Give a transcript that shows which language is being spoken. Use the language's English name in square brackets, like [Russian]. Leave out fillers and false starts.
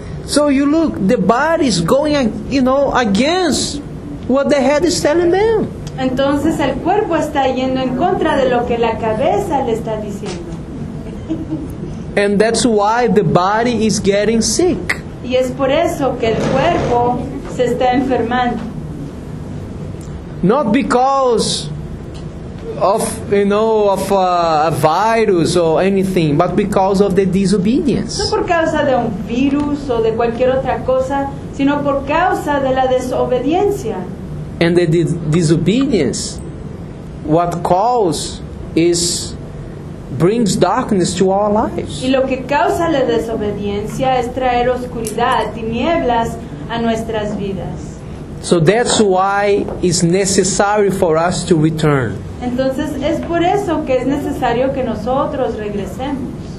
[English] So you look, the body is going, you know, against what the head is telling them. [Spanish] Entonces el cuerpo está yendo en contra de lo que la cabeza le está diciendo. [English] And that's why the body is getting sick. [Spanish] Y es por eso que el cuerpo se está enfermando. [English] Not because of, you know, of a virus or anything, but because of the disobedience. [Spanish] No por causa de un virus o de cualquier otra cosa, sino por causa de la desobediencia. [English] And the disobedience, what causes is brings darkness to our lives. [Spanish] Y lo que causa la desobediencia es traer oscuridad, tinieblas a nuestras vidas. [English] So that's why it's necessary for us to return. [Spanish] Entonces es por eso que es necesario que nosotros regresemos.